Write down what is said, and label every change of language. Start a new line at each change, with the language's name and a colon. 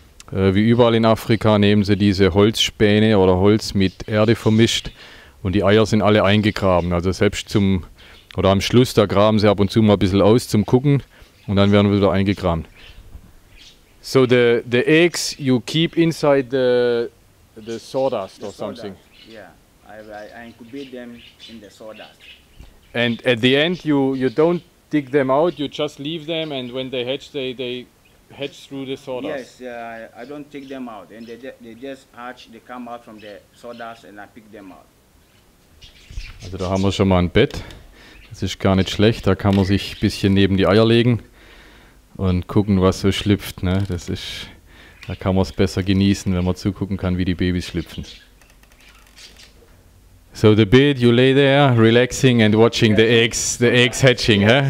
German: Wie überall in Afrika nehmen sie diese Holzspäne oder Holz mit Erde vermischt und die Eier sind alle eingegraben. Also selbst zum, oder am Schluss, da graben sie ab und zu mal ein bisschen aus zum Gucken und dann werden wieder eingegraben.
English: So the eggs you keep inside the sawdust or something? Yeah, I incubate them in the sawdust. And at the end you don't dig them out, you just leave them and when they hatch they hatch through the sawdust? Yes, I don't take them out and they just hatch, they come out from the sawdust and I pick them out.
German: Also da haben wir schon mal ein Bett, das ist gar nicht schlecht, da kann man sich ein bisschen neben die Eier legen und gucken, was so schlüpft. Ne? Das ist, da kann man es besser genießen, wenn man zugucken kann, wie die Babys schlüpfen.
English: So the bed, you lay there, relaxing and watching the eggs hatching, huh?